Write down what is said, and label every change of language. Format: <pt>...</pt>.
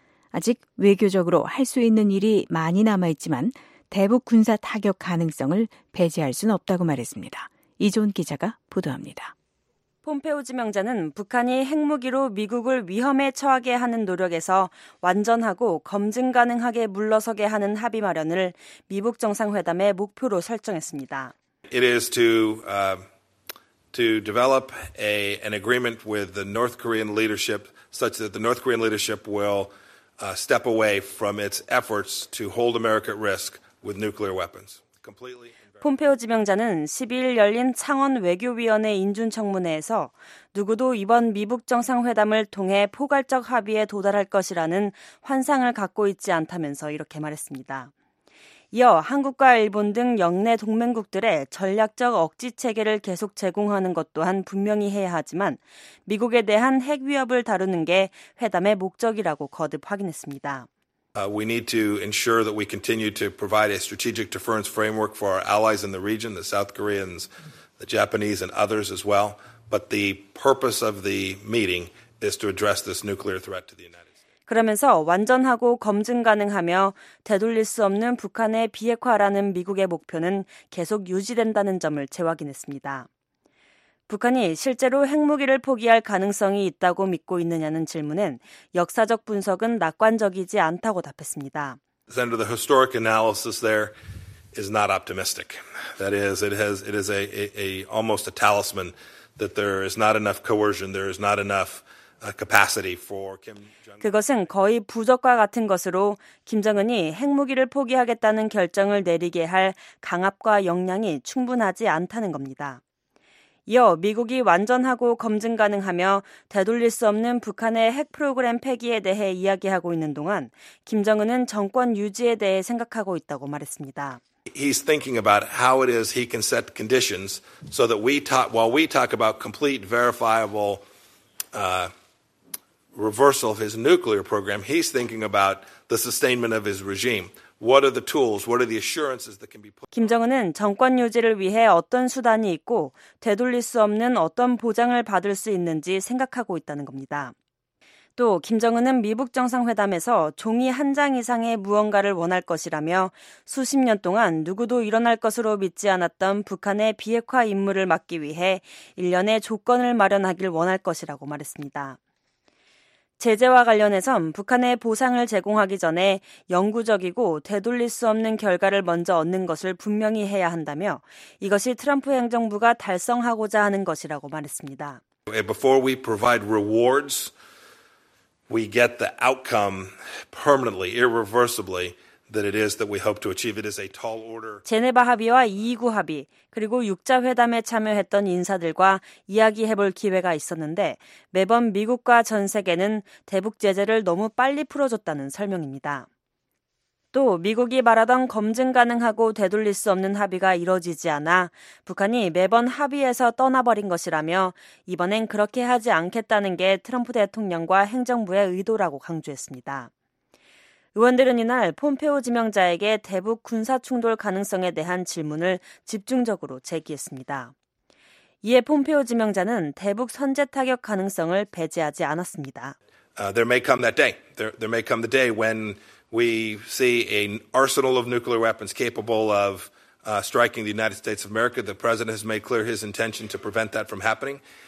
<ko>아직 외교적으로 할 수 있는 일이 많이 남아있지만 대북 군사 타격 가능성을 배제할 수는 없다고 말했습니다. 이존 기자가 보도합니다. 폼페오 지명자는 북한이 핵무기로 미국을 위험에 처하게 하는 노력에서 완전하고 검증 가능하게 물러서게 하는 합의 마련을 미북 정상회담의 목표로 설정했습니다.</ko> <en>It is to develop an agreement with the North Korean leadership such that the North Korean leadership will step away from its efforts to hold America at risk with nuclear weapons.</en> <ko>폼페오 지명자는 12일 열린 창원 외교위원회 인준청문회에서 누구도 이번 미북 정상회담을 통해 포괄적 합의에 도달할 것이라는 환상을 갖고 있지 않다면서 이렇게 말했습니다. 이어 한국과 일본 등 역내 동맹국들의 전략적 억지 체계를 계속 제공하는 것 또한 분명히 해야 하지만 미국에 대한 핵 위협을 다루는 게 회담의 목적이라고 거듭 확인했습니다.</ko> <en>We need to ensure that we continue to provide a strategic deterrence framework for our allies in the region, the South Koreans, the Japanese, and others as well. But the purpose of the meeting is to address this nuclear threat to the United States.</en> <ko>그러면서 완전하고 검증 가능하며 되돌릴 수 없는 북한의 비핵화라는 미국의 목표는 계속 유지된다는 점을 재확인했습니다. 북한이 실제로 핵무기를 포기할 가능성이 있다고 믿고 있느냐는 질문엔 역사적 분석은 낙관적이지 않다고 답했습니다.</ko> <en>The historic analysis there is not optimistic. That is, it is a almost a talisman that there is not enough coercion, there is not enough capacity for Kim Jong-un.</en> <ko>그것은 거의 부적과 같은 것으로 김정은이 핵무기를 포기하겠다는 결정을 내리게 할 강압과 역량이 충분하지 않다는 겁니다. 이어 미국이 완전하고 검증 가능하며 되돌릴 수 없는 북한의 핵 프로그램 폐기에 대해 이야기하고 있는 동안 김정은은 정권 유지에 대해 생각하고 있다고 말했습니다.</ko> <en>He's thinking about how it is he can set conditions so that while we talk about complete verifiable reversal of his nuclear program, he's thinking about the sustainment of his regime. What are the tools? What are the assurances that can be put?</en> <ko>김정은은 정권 유지를 위해 어떤 수단이 있고 되돌릴 수 없는 어떤 보장을 받을 수 있는지 생각하고 있다는 겁니다. 또 김정은은 미북 정상회담에서 종이 한 장 이상의 무언가를 원할 것이라며 수십 년 동안 누구도 일어날 것으로 믿지 않았던 북한의 비핵화 임무를 막기 위해 일련의 조건을 마련하길 원할 것이라고 말했습니다. 제재와 관련해선 북한의 보상을 제공하기 전에 영구적이고 되돌릴 수 없는 결과를 먼저 얻는 것을 분명히 해야 한다며 이것이 트럼프 행정부가 달성하고자 하는 것이라고 말했습니다.</ko> <en>Before we provide rewards, we get the outcome permanently, irreversibly. That it is that we hope to achieve. It is a tall order.</en> <ko>제네바 합의와 2.29 합의 그리고 6자 회담에 참여했던 인사들과 이야기해볼 기회가 있었는데 매번 미국과 전 세계는 대북 제재를 너무 빨리 풀어줬다는 설명입니다. 또 미국이 말하던 검증 가능하고 되돌릴 수 없는 합의가 이뤄지지 않아 북한이 매번 합의에서 떠나버린 것이라며 이번엔 그렇게 하지 않겠다는 게 트럼프 대통령과 행정부의 의도라고 강조했습니다. 의원들은 이날 폼페오 지명자에게 대북 군사 충돌 가능성에 대한 질문을 집중적으로 제기했습니다. 이에 폼페오 지명자는 대북 선제 타격 가능성을 배제하지 않았습니다.</ko> <en>There may come that day. There may come the day when we see an arsenal of nuclear weapons capable of striking the United States of America. The president has made clear his intention to prevent that from happening.</en>